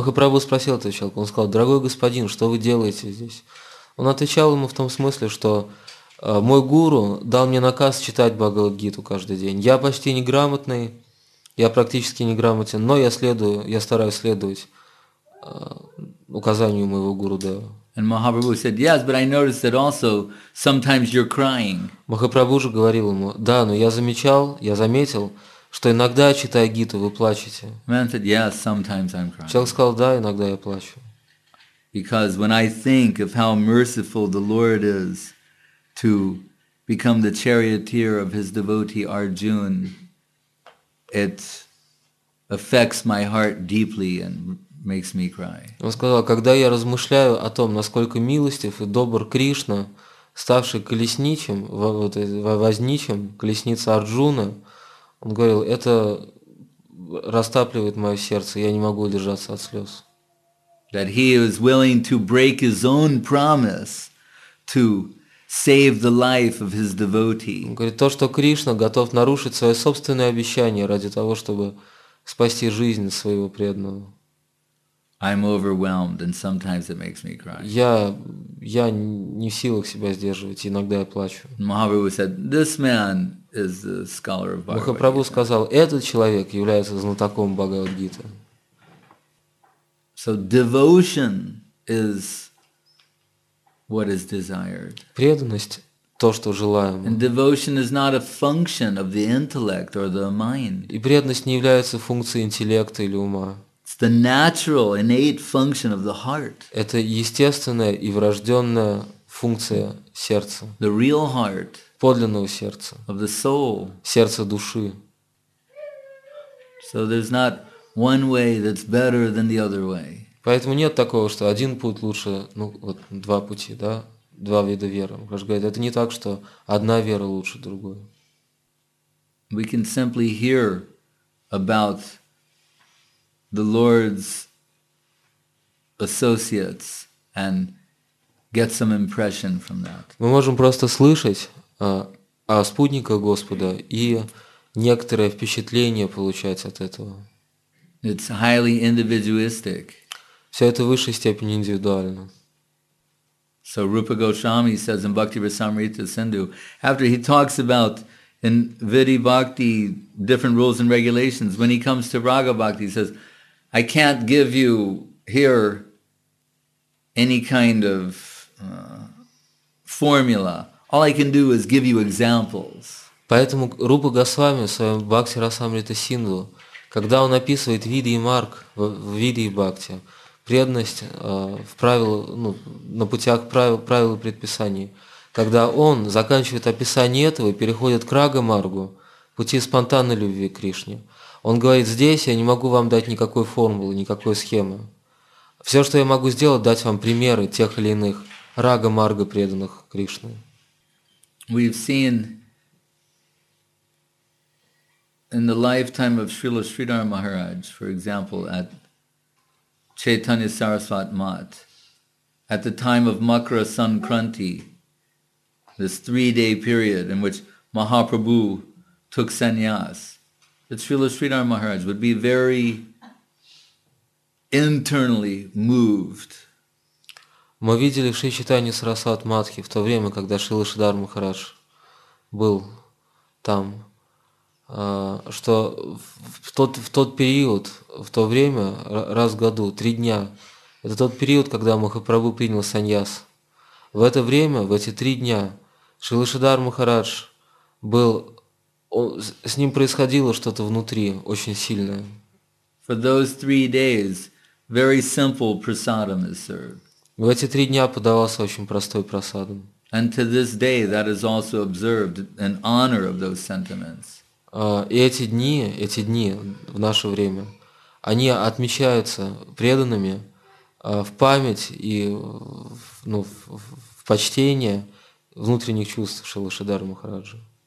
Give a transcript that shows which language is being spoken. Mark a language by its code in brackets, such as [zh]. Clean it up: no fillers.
[ru] Махапрабху спросил этого человека, он сказал, «Дорогой господин, что вы делаете здесь?» Он отвечал ему в том смысле, что мой гуру дал мне наказ читать Бхагавад-гиту каждый день. Я почти неграмотный, я практически неграмотен, но я стараюсь следовать указанию моего гурудева. [en] And Mahaprabhu said, "Yes, but I noticed that also sometimes you're crying." [ru] Махапрабху же говорил ему, "Да, но я заметил, что иногда читая Гиту вы плачете." [en] Man said, "Yes, sometimes I'm crying." [ru] Человек сказал, "Да, иногда я плачу." [en] Because when I think of how merciful the Lord is to become the charioteer of his devotee Arjuna, it affects my heart deeply and makes me cry. [ru] Он сказал, когда я размышляю о том, насколько милостив и добр Кришна, ставший колесничим, возничим, колесница Арджуна, он говорил, это растапливает мое сердце, я не могу удержаться от слез. [en] That he is willing to break his own promise to save the life of his devotee. [ru] Он говорит, то, что Кришна готов нарушить свое собственное обещание ради того, чтобы спасти жизнь своего преданного. [en] I'm overwhelmed, and sometimes it makes me cry. [ru] Я не в силах себя сдерживать, иногда я плачу. [en] Mahaprabhu said, "This man is the scholar of Bhagavad Gita." [ru] Махапрабху сказал, этот человек является знатоком Бхагавад-гиты. [en] So devotion is what is desired. [ru] Преданность то, что желаемо. [en] And devotion is not a function of the intellect or the mind. [ru] И преданность не является функцией интеллекта или ума. [en] It's the natural, innate function of the heart. [ru] Это естественная и врожденная функция сердца. [en] The real heart. [ru] Подлинного сердца. [en] Of the soul. [ru] Сердца души. [en] So there's not one way that's better than the other way. [ru] Поэтому нет такого, что один путь лучше, два пути, да, два вида веры. Кришна говорит, это не так, что одна вера лучше другой. [en] We can simply hear about the Lord's associates and get some impression from that. [ru] Мы можем просто слышать о спутниках Господа и некоторое впечатление получать от этого. [en] It's highly individualistic. [ru] Все это в высшей степени индивидуально. [en] So Rupa Goswami says in Bhakti Rasamrita Sindhu, after he talks about in Vidhi Bhakti different rules and regulations, when he comes to Raga Bhakti, he says, "I can't give you here any kind of formula. All I can do is give you examples." [ru] Поэтому Рупа Госвами в своем Бхакти Расамрита Синдху, когда он описывает виды и марг в виде и бхакти, преданность в правилах, на путях правил и предписаний, когда он заканчивает описание этого и переходит к рага-маргу, пути спонтанной любви к Кришне, он говорит, здесь я не могу вам дать никакой формулы, никакой схемы. Все, что я могу сделать, дать вам примеры тех или иных рага-марга преданных Кришне. [en] We've seen in the lifetime of Srila Sridhara Maharaj, for example, at Chaitanya Sarasvat Math, at the time of Makara Sankranti, this three-day period in which Mahaprabhu took sannyas, that Srila Sridhara Maharaj would be very internally moved. [ru] Мы видели в Шри Чайтанья Сарасват Матхе в то время, когда Шрила Шридхар Махарадж был там, что в тот период, в то время, раз в году, три дня, это тот период, когда Махапрабху принял саньяс. В это время, в эти три дня, Шрила Шридхар Махарадж был... с ним происходило что-то внутри очень сильное. [en] For those three days, very simple prasadam is served. [ru] В эти три дня подавался очень простой прасадам. [en] And to this day, that is also observed in honor of those sentiments. [ru] И эти дни в наше время, они отмечаются преданными в память и в, ну, в почтение внутренних чувств Шрилы Шридхара Махараджа.